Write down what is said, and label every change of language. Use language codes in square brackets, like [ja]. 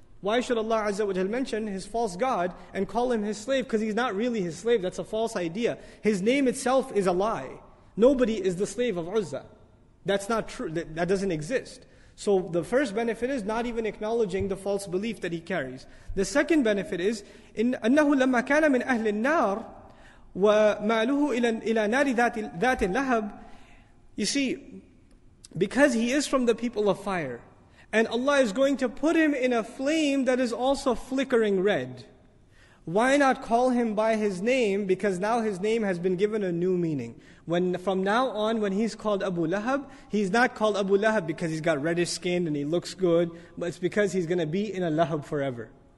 [en] Why should Allah Azza wa Jal mention his false god and call him his slave? Because he's not really his slave, that's a false idea. His name itself is a lie. Nobody is the slave of Uzza. That's not true, that doesn't exist. So the first benefit is not even acknowledging the false belief that he carries. The second benefit is, in [ar] أَنَّهُ لَمَّا كَانَ مِنْ أَهْلِ النَّارِ وَمَعْلُهُ إِلَى نَارِ ذَاتِ اللَّهَبِ. [en] You see, because he is from the people of fire, and Allah is going to put him in a flame that is also flickering red, why not call him by his name? Because now his name has been given a new meaning. When from now on, when he's called Abu Lahab, he's not called Abu Lahab because he's got reddish skin and he looks good, but it's because he's going to be in a Lahab forever.